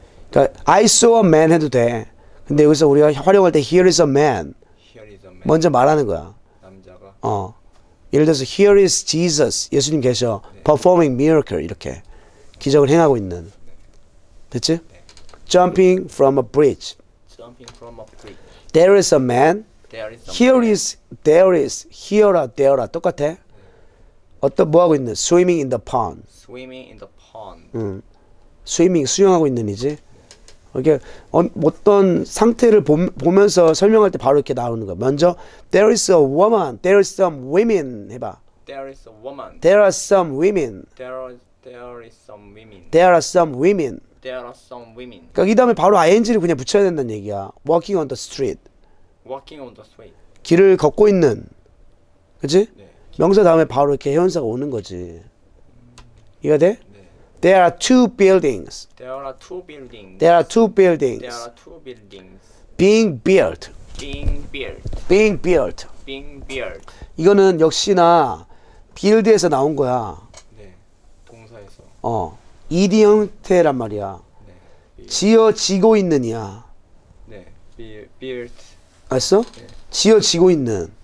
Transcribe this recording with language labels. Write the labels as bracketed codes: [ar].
[ko] 그러니까 [en] I saw a man [ko] 해도 돼. 근데 여기서 우리가 활용할 때 [en] Here is a man. [ko] 먼저 말하는 거야. 남자가. 예를 들어서 [en] Here is Jesus. [ko] 예수님 계셔. 네. [en] Performing miracle 이렇게. [ko] 기적을 행하고 있는. 됐지? [en] Jumping from a bridge. Jumping from a bridge. There is a man. There is a man. Here is, there is, here are, there are. [ko] 똑같아. 어떤 뭐 하고 있는? [en] Swimming in the pond. Swimming in the pond. [ko] 스위밍, 수영하고 있는이지. 이렇게 어떤 상태를 보면서 설명할 때 바로 이렇게 나오는 거야. 먼저 [en] There is a woman, there is some women [ko] 해봐. [en] There is a woman. There are some women. There are some women. There are some women. [ko] 그러니까 이 다음에 바로 ing를 그냥 붙여야 된다는 얘기야. [en] Walking on the street. Walking on the street. [ko] 길을 걷고 있는. 그치? 네. 명사 다음에 바로 이렇게 형용사가 오는 거지. 이해가 돼? [en] There are two buildings. There are two buildings. There are two buildings. There are two buildings. Being built. Being built. Being built. Being built. [ko] 이거는 역시나 build에서 나온 거야. 네, 동사에서. ed 형태란 말이야. 네. 지어지고 있는이야. 네, built. 알았어? 네. 지어지고 있는.